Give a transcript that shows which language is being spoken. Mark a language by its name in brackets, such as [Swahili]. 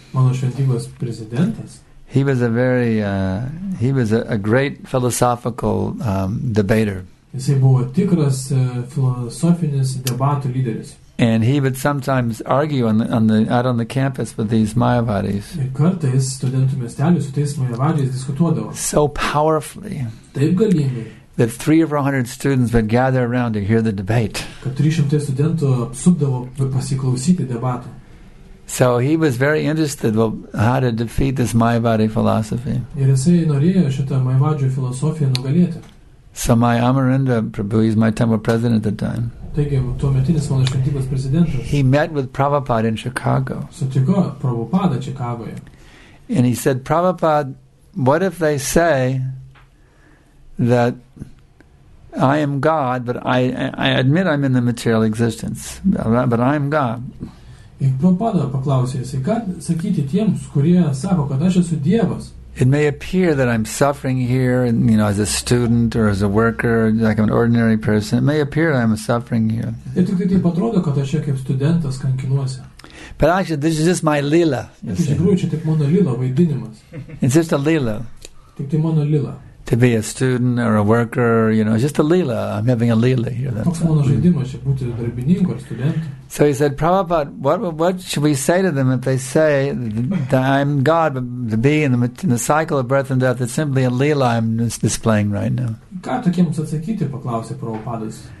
[Lithuanian] mano šventybės prezidentas, [English] he was a very, he was a great philosophical debater. [Lithuanian] Jisai buvo tikras filosofinis debatų lyderis. [English] And he would sometimes argue out on the campus with these Mayavadis. So powerfully. [Lithuanian] Taip galingai. [English] That 300 or 400 students would gather around to hear the debate. [Lithuanian] Kad 300 studentų apsupdavo pasiklausyti debatų. [English] So he was very interested well, how to defeat this Mayavadi philosophy. [Lithuanian] Ir jisai norėjo šitą Mayavadžių filosofiją nugalėti. [English] So my Amarendra Prabhu, he's my temple president at the time. [Lithuanian] Taigi, tuometinis mano šventybės prezidentas. [English] He met with Prabhupada in Chicago. [Lithuanian] Sutiko Prabhupada Čikagoje. [English] And he said, Prabhupada, what if they say that I am God, but I admit I'm in the material existence, but I am God. [Lithuanian] Ir Prabhupada paklausė, ką sakyti tiems, kurie sako, kad aš esu Dievas? [English] It may appear that I'm suffering here, you know, as a student or as a worker, like I'm an ordinary person. It may appear that I'm suffering here. [Lithuanian] Ir tik taip atrodo, kad aš kaip studentas kankinuosi. [English] But actually, this is just my lila. [Lithuanian] Iš tikrųjų, čia tik mano lila vaidinimas. [English] It's just a lila. [Lithuanian] Tik tai mano lila. [English] To be a student or a worker, you know, it's just a lila. I'm having a lila here. [Lithuanian] Toks mano žaidimas, būti darbininku ar studentu. [English] So he said, Prabhupada, what should we say to them if they say that I'm God, but to be in the cycle of birth and death, it's simply a lila I'm displaying right now. [Lithuanian] Ką tokiems atsakyti, paklausė Prabhupadas.